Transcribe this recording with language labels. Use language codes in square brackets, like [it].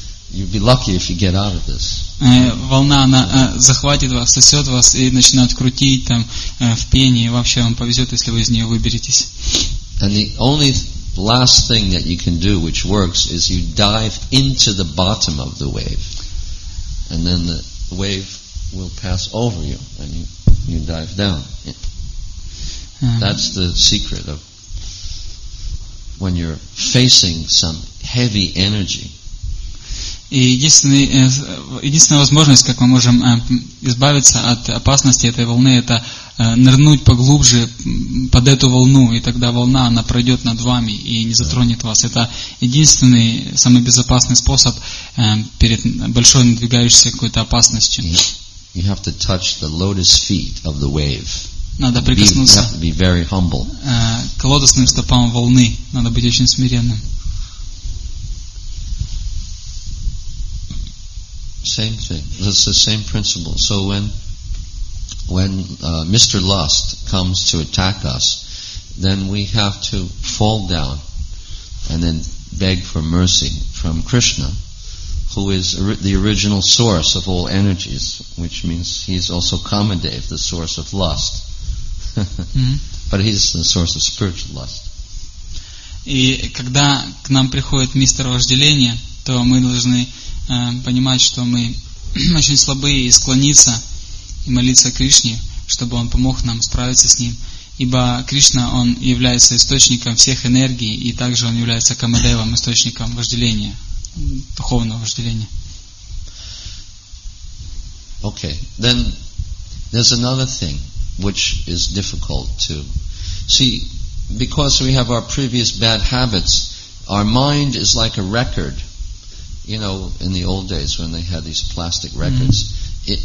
[en] You'd be lucky if you get out of this. [ru] Волна она захватит вас, сосет вас и начинает крутить там в пене, и вообще вам повезет, если вы из нее выберетесь. [en] And the only last thing that you can do, which works, is you dive into the bottom of the wave, and then the wave will pass over you, and you dive down. That's the secret of when you're facing some heavy energy. [ru] И единственная возможность, как мы можем избавиться от опасности этой волны, это нырнуть поглубже под эту волну, и тогда волна она пройдет над вами и не затронет вас. Это единственный самый безопасный способ перед большой надвигающейся какой-то опасностью. [en] You have to touch the lotus feet of the wave. [ru] Надо прикоснуться. [en] You have to be very humble. [ru] К лотосным стопам волны надо быть очень смиренным. [en] Same thing. That's the same principle. So when Mr. Lust comes to attack us, then we have to fall down and then beg for mercy from Krishna, who is the original source of all energies, which means he's also Kamadev, the source of lust. Mm-hmm. But he's the source of spiritual lust. [ru] И когда к нам приходит мистер вожделения, то мы должны понимать, что мы очень слабые, и склониться и молиться Кришне, чтобы Он помог нам справиться с Ним. Ибо Кришна, Он является источником всех энергий, и также Он является Камадевом, источником вожделения, духовного вожделения. [en] Okay, then there's another thing which is difficult to see, because we have our previous bad habits, our mind is like a record. You know, in the old days when they had these plastic records, mm-hmm.